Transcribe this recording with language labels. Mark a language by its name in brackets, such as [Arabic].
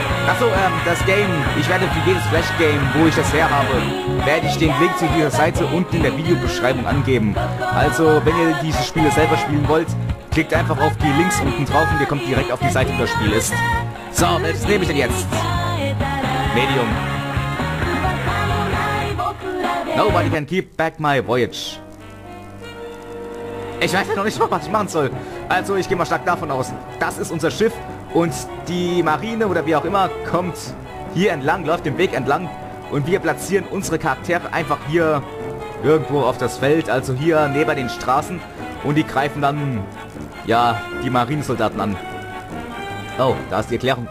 [German] Achso, das Game, ich werde für jedes Flash-Game, wo ich das her habe, werde ich den Link zu dieser Seite unten in der Videobeschreibung angeben. Also, wenn ihr diese Spiele selber spielen wollt, klickt einfach auf die Links unten drauf und ihr kommt direkt auf die Seite, wo das Spiel ist. So, was nehme ich denn jetzt? Medium. [English] Nobody can keep back my voyage. [German] Ich weiß ja noch nicht, was ich machen soll. Also, ich gehe mal stark davon aus. Das ist unser Schiff und die Marine oder wie auch immer kommt hier entlang, läuft den Weg entlang und wir platzieren unsere Charaktere einfach hier irgendwo auf das Feld, also hier neben den Straßen und die greifen dann, ja, die Marinesoldaten an. Oh, da ist die Erklärung.